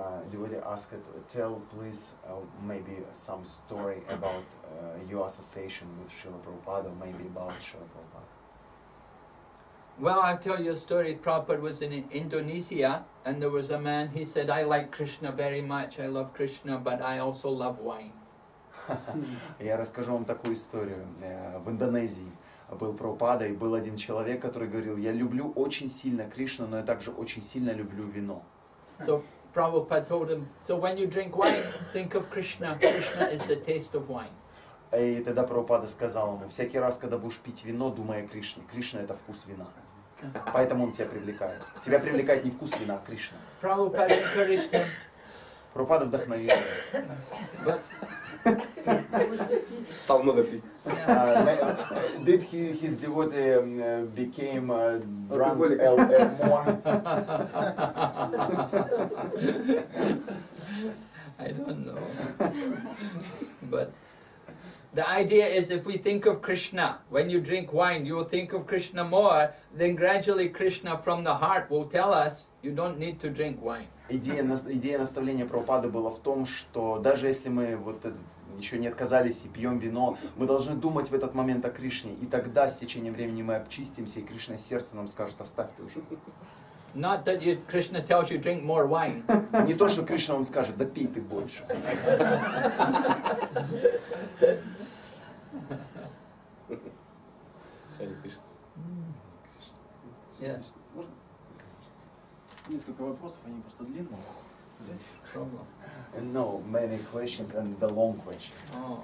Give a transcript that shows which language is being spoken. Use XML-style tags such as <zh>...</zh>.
<en>Devotee asked, tell please maybe some story about your association with Srila Prabhupada, maybe about Srila Prabhupada. Well, I'll tell you a story. Prabhupada was in Indonesia and there was a man, he said, I like Krishna very much, I love Krishna, but I also love wine.</en> <ru>Я расскажу вам такую историю. В Индонезии был Прабхупада и был один человек, который говорил, я люблю очень сильно Кришну, но я также очень сильно люблю вино.</ru> <en>So Prabhupada told him, so when you drink wine, think of Krishna. Krishna is the taste of wine.</en> <ru>И тогда Прабхупада сказал ему, всякий раз, когда будешь пить вино, думай о Кришне. Кришна — это вкус вина. Поэтому он тебя привлекает. Тебя привлекает не вкус вина, а Кришна.</ru> <en>Prabhupada encouraged him.</en> <ru>Прабхупада вдохновил его. Стал много пить.</ru> <en>Did he, his devotee became drunk more? I don't know. But the idea is if we think of Krishna, when you drink wine, you will think of Krishna more, then gradually Krishna from the heart will tell us you don't need to drink wine.</en> <ru>Идея наставления Прабхупады была в том, что даже если мы вот еще не отказались и пьем вино, мы должны думать в этот момент о Кришне, и тогда с течением времени мы обчистимся, и Кришна сердце нам скажет, оставь ты уже.</ru> <en>Not that you, Krishna tells you drink more wine.</en> <ru>Не то, что Кришна вам скажет, да пей ты больше. Несколько вопросов, они просто длинные.</ru> <en>And no, many questions and the long questions.</en>